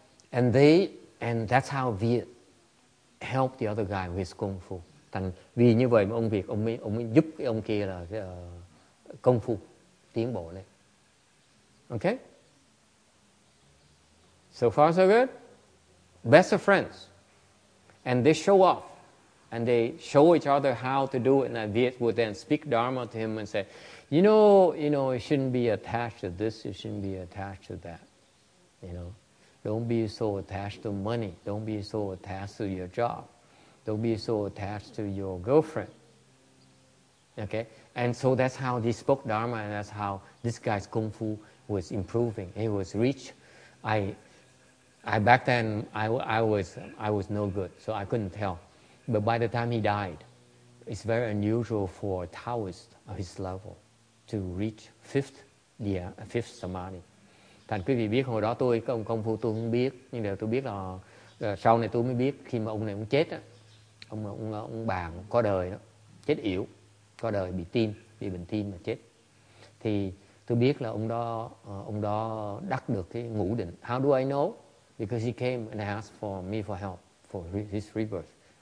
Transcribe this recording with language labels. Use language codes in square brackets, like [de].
[en] And that's how Viet helped the other guy with his kung fu. [vi] Thành vì như vậy mà ông Việt ông ấy giúp cái ông kia là công phu tiến bộ lên. [en] Okay? So far so good. Best of friends. And they show off, and they show each other how to do it. And Viet would then speak Dharma to him and say, you know, it shouldn't be attached to this, it shouldn't be attached to that. You know, don't be so attached to money. Don't be so attached to your job. Don't be so attached to your girlfriend. Okay? And so that's how they spoke Dharma, and that's how this guy's kung fu was improving. He was rich. Back then I was no good, so I couldn't tell. But by the time he died, it's very unusual for a Taoist of his level to reach fifth samadhi. [vi] Thành quý vị biết hồi đó tôi cái ông công phu tôi không biết, nhưng mà tôi biết là sau này tôi mới biết khi mà ông này ông chết á, ông bàn có đời đó, chết yếu, có đời bị bệnh tim mà chết. Thì tôi biết là ông đó đắc được cái ngũ định. [en] How do I know? Because he came and asked for me for help for his rebirth.